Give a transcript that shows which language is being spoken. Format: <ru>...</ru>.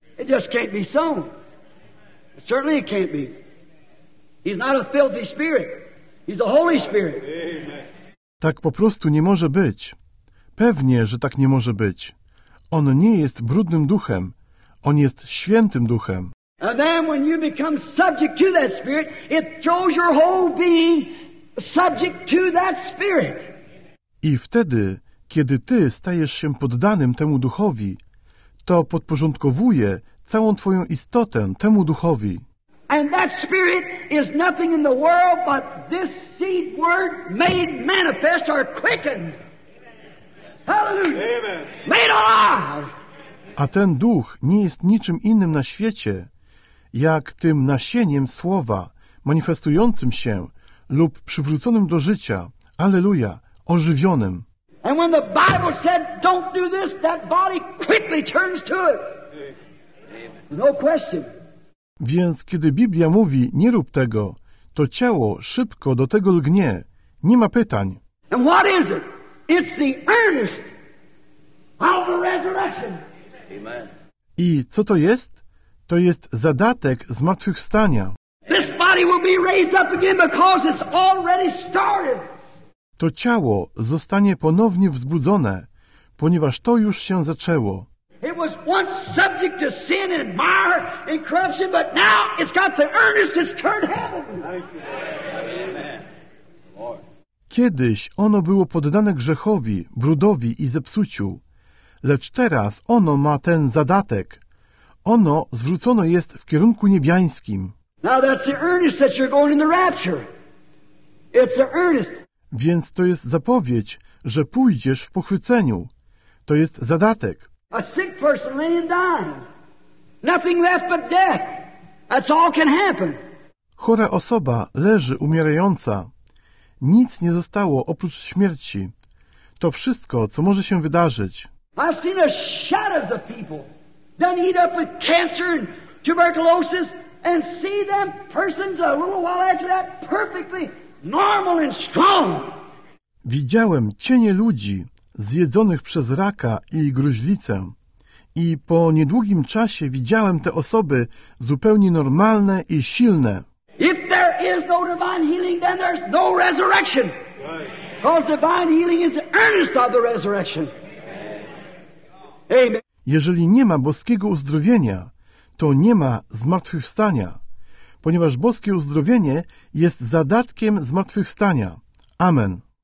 <en>It just can't be so. Certainly it can't be. He's not a filthy spirit. He's a holy spirit.</en> <pl>Tak po prostu nie może być. Pewnie, że tak nie może być. On nie jest brudnym duchem. On jest świętym duchem.</pl> <en>And then when you become subject to that spirit, it throws your whole being subject to that spirit.</en> <pl>I wtedy, kiedy ty stajesz się poddanym temu duchowi, to podporządkowuje całą twoją istotę temu duchowi.</pl> <en>And that spirit is nothing in the world but this seed word made manifest or quickened. Hallelujah. Amen. Made alive.</en> <pl>A ten duch nie jest niczym innym na świecie, jak tym nasieniem słowa manifestującym się lub przywróconym do życia. Alleluja. Ożywionym.</pl> <en>And when the Bible said don't do this, that body quickly turns to it. No question.</en> <pl>Więc kiedy Biblia mówi nie rób tego, to ciało szybko do tego lgnie. Nie ma pytań.</pl> <en>And what is it? It's the earnest of the resurrection. Amen.</en> <pl>I co to jest? To jest zadatek zmartwychwstania.</pl> <en>This body will be raised up again because it's already started.</en> <pl>To ciało zostanie ponownie wzbudzone, ponieważ to już się zaczęło.</pl> <en>It was once subject to sin and mire and corruption, but now it's got the earnest that's turned heaven.</en> <pl>Kiedyś ono było poddane grzechowi, brudowi i zepsuciu, lecz teraz ono ma ten zadatek. Ono zwrócone jest w kierunku niebiańskim.</pl> <en>Now that's the earnest that you're going in the rapture. It's the earnest.</en> <pl>Więc to jest zapowiedź, że pójdziesz w pochwyceniu. To jest zadatek.</pl> <en>A sick person laying dying. Nothing left but death. That's all can happen.</en> <pl>Chora osoba leży umierająca. Nic nie zostało oprócz śmierci. To wszystko, co może się wydarzyć.</pl> <en>I've seen a shadows of people done eat up with cancer and tuberculosis and see them persons a little while after that perfectly normal and strong.</en> <pl>Widziałem cienie ludzi zjedzonych przez raka i gruźlicę. I po niedługim czasie widziałem te osoby zupełnie normalne i silne.</pl> <en>If there is no divine healing, then there's no resurrection. Because divine healing is the earnest of the resurrection. Amen.</en> <pl>Jeżeli nie ma boskiego uzdrowienia, to nie ma zmartwychwstania. Ponieważ boskie uzdrowienie jest zadatkiem zmartwychwstania. Amen.</pl>